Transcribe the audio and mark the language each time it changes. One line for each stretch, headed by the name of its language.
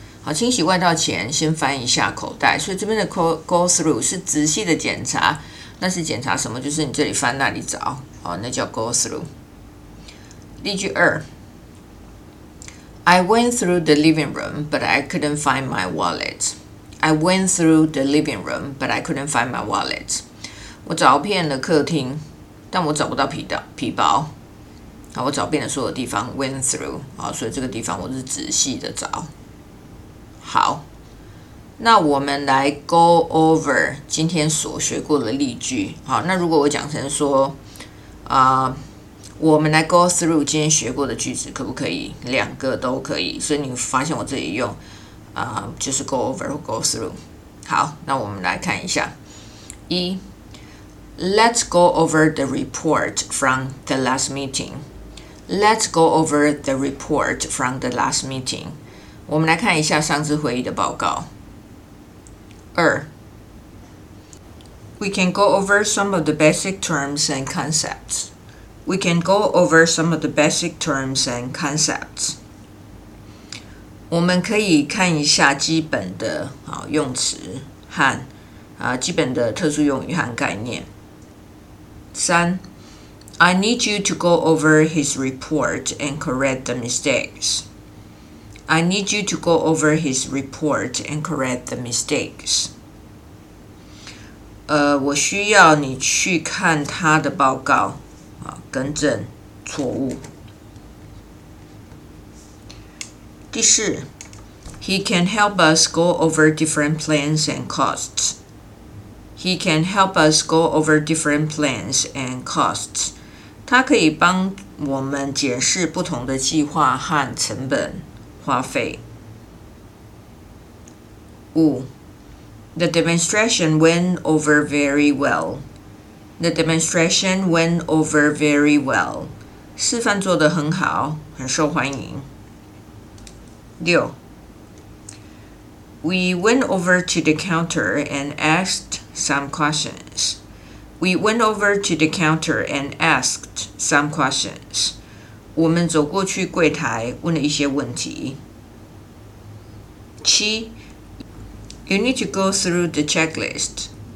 Chinese: 好，清洗外套前先翻一下口袋，所以这边的 go through 是仔细的检查，那是检查什么？就是你这里翻那里找，好，那叫 go through。
English: 例句二，I went through the living room, but I couldn't find my wallet. I went through the living room, but I couldn't find my wallet.
Chinese: 我找遍了客厅，但我找不到皮包。好，我找遍了所有地方 ，went through。好，所以这个地方我是仔细的找。好，那我们来 go over 今天所学过的例句。好，那如果我讲成说，我们来 go through 今天学过的句子，可不可以？两个都可以，所以你发现我这里用，就是 go over 或 go through。好，那我们来看一下。
English: 一 ，Let's go over the report from the last meeting. Let's go over the report from the last meeting.
Chinese: 我们来看一下上次会议的报告。
English: 二 ，We can go over some of the basic terms and concepts. We can go over some of the basic terms and concepts.
Chinese: 我们可以看一下基本的用词和基本的特殊用语和概念。
English: 三 ，I need you to go over his report and correct the mistakes. I need you to go over his report and correct the mistakes.
Chinese: 我需要你去看他的报告。更正错误。
English: 第四 ，He can help us go over different plans and costs. He can help us go over different plans and costs.
Chinese: 他可以帮我们解释不同的计划和成本花费。
English: 五 ，The demonstration went over very well. The demonstration went over very well.
Chinese: 示范做得很好，很受欢迎。
English: 六 ，We went over to the counter and asked some questions. We went over to the counter and asked some questions.
Chinese: 我们走过去柜台问了一些问题。
English: 七 ，You need to go through the checklist.